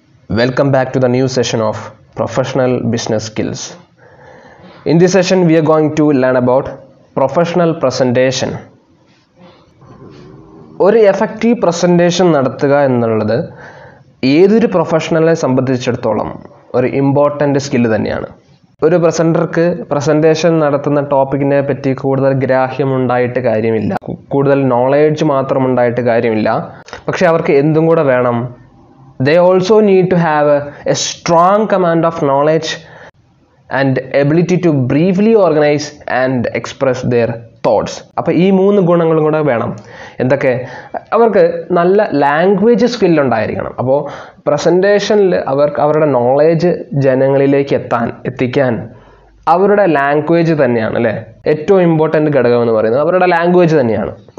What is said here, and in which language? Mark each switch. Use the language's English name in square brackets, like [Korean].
[English] Welcome back to the new session of Professional Business Skills. In this session, we are going to learn about professional presentation. [Malayalam] ഒരു effective presentation നടത്തുക എന്നുള്ളത് ഏതൊരു പ്രൊഫഷണലിനെ സംബന്ധിച്ചിടത്തോളം ഒരു important skill തന്നെയാണ്. ഒരു പ്രസൻറ്റർക്ക് presentation നടത്തുന്ന ടോപ്പിക്കിനെ പറ്റി കൂടുതൽ ഗ്രാഹ്യമുണ്ടായിട്ട് കാര്യമില്ല, കൂടുതൽ നോളേജ് മാത്രം ഉണ്ടായിട്ട് കാര്യമില്ല. പക്ഷേ അവർക്ക് എന്തും കൂടെ വേണം. [English] They also need to have a strong command of knowledge and ability to briefly organize and express their thoughts. [Malayalam] അപ്പം ഈ മൂന്ന് ഗുണങ്ങളും കൂടെ വേണം. എന്തൊക്കെ? അവർക്ക് നല്ല ലാംഗ്വേജ് സ്കില്ല് ഉണ്ടായിരിക്കണം. അപ്പോൾ പ്രസൻറ്റേഷനിൽ അവർക്ക് അവരുടെ നോളേജ് ജനങ്ങളിലേക്ക് എത്താൻ അവരുടെ ലാംഗ്വേജ് തന്നെയാണ് അല്ലേ ഏറ്റവും ഇമ്പോർട്ടൻ്റ് ഘടകം എന്ന് പറയുന്നത്, അവരുടെ ലാംഗ്വേജ് തന്നെയാണ്.